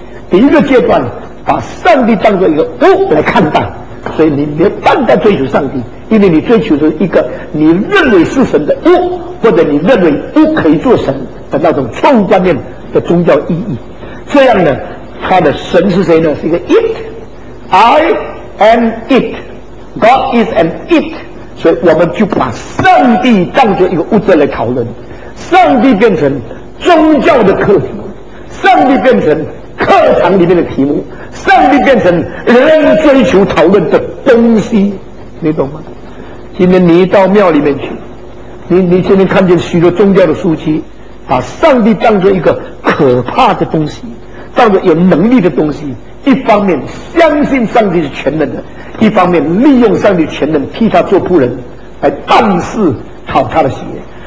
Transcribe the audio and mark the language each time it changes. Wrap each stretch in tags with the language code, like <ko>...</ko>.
<zh>第一个阶段把上帝当作一个物来看待，所以你没办法追求上帝，因为你追求的是一个你认为是神的物，或者你认为物可以做神的那种错误观念的宗教意义。这样呢，他的神是谁呢？是一个</zh> <en>it， I am it， God is an it。</en> <zh>所以我们就把上帝当作一个物质来讨论，上帝变成宗教的课题，上帝变成课堂里面的题目，上帝变成人追求讨论的东西，你懂吗？今天你到庙里面去，你今天看见许多宗教的书籍，把上帝当作一个可怕的东西，当作有能力的东西，一方面相信上帝是全能的，一方面利用上帝全能替他做仆人来办事讨他的喜悦。</zh>